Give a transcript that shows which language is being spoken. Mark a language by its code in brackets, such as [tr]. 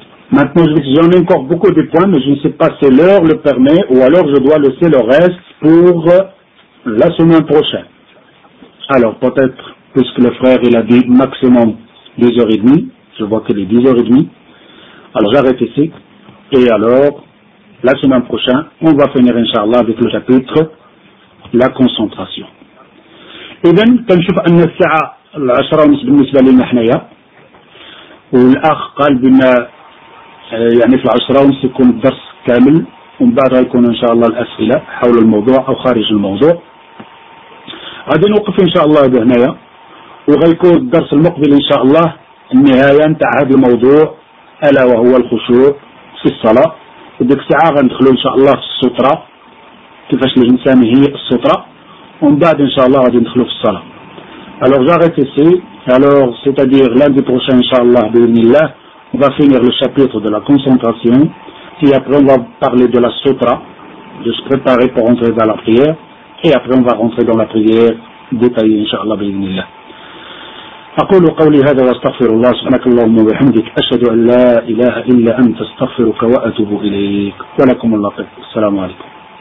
[fr] Maintenant, j'en ai encore beaucoup de points, mais je ne sais pas si l'heure le permet ou alors je dois laisser le reste pour la semaine prochaine. Alors, peut-être, puisque le frère il a dit maximum 2h30, je vois qu'il est 10h30, alors j'arrête ici. Et alors, la semaine prochaine, on va finir, Inch'Allah, avec le chapitre la concentration. [ar] إذا كنشوف أن الساعة العشرة بالنسبة لنا حنايا والأخ قال بأن يعني في العشرة سيكون الدرس كامل ومن بعدها يكون إن شاء الله الأسئلة حول الموضوع أو خارج الموضوع غادي نوقف إن شاء الله بهنايا وغيكون الدرس المقبل إن شاء الله النهاية نتاع هذا الموضوع ألا وهو الخشوع في الصلاة وديك الساعة غندخلوا إن شاء الله في السترة كيفاش الإنسان هي السترة [fr] On va, Inch'Allah, à l'intérieur de Salah. Alors, j'arrête ici. Alors, c'est-à-dire, lundi prochain, Inch'Allah, on va finir le chapitre de la concentration. Puis après, on va parler de la sutra, de se préparer pour rentrer dans la prière. Et après, on va rentrer dans la prière détaillée, Inch'Allah, bi'inillah. [ar] أقول قولي هذا واستغفر الله سبحانك اللهم وبحمدك أشهد أن لا إله إلا أنت استغفرك وأتوب إليك ولكم الله السلام عليكم